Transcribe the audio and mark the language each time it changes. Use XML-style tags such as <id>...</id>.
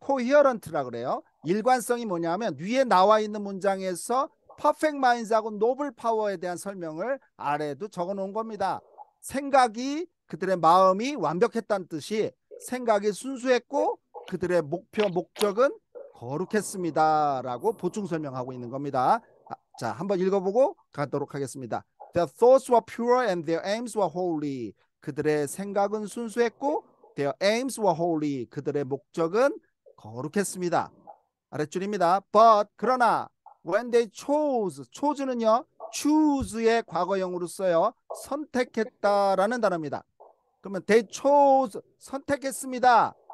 <ko>coherent라 그래요. 일관성이 뭐냐면 위에 나와 있는 문장에서</ko> <en>perfect minds</en> <ko>하고 noble power에 대한 설명을 아래에도 적어놓은 겁니다. 생각이 그들의 마음이 완벽했다는 뜻이 생각이 순수했고 그들의 목표, 목적은 거룩했습니다. 라고 보충 설명하고 있는 겁니다. 아, 자, 한번 읽어보고 가도록 하겠습니다.</ko> <en>Their thoughts were pure and their aims were holy.</en> <ko>그들의 생각은 순수했고</ko> <en>their aims were holy.</en> <ko>그들의 목적은 거룩했습니다.</ko> <en>아랫줄입니다. But,</en> <ko>그러나,</ko> <en>when they chose, chose는요, choose의</en> <ko>과거형으로 써요. 선택했다라는 단어입니다. 그러면</ko> <en>they chose</en> <ko>선택했습니다.</ko>